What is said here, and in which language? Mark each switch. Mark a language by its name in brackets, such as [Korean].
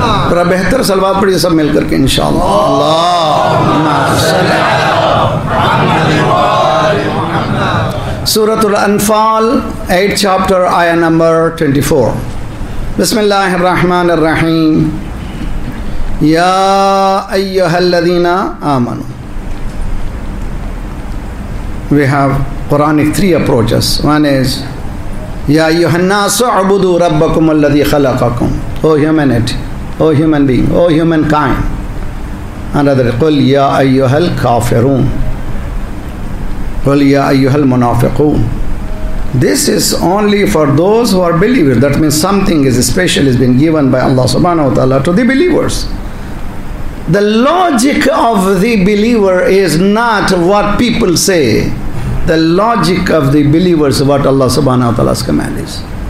[Urdu] پر بہتر صلوات پڑھی سب مل کر کے [Arabic] انشاءاللہ اللہم صلی اللہ علیہ وسلم سورة الانفال 8 چاپٹر آیہ نمبر 24 بسم اللہ الرحمن الرحیم یا ایہا الذین آمنوا. [English] We have Quranic three approaches. One is [Arabic] یا ایہا الناس اعبدوا ربکم الذی خلقکم. [English] Oh humanity, oh human being, oh humankind. Another, [Arabic] قُلْ يَا أَيُّهَا الْكَافِرُونَ قُلْ يَا أَيُّهَا الْمُنَافِقُونَ. [English] This is only for those who are believers. That means something is special is being given by Allah subhanahu wa ta'ala to the believers. The logic of the believer is not what people say. The logic of the believer is what Allah subhanahu wa ta'ala's command is.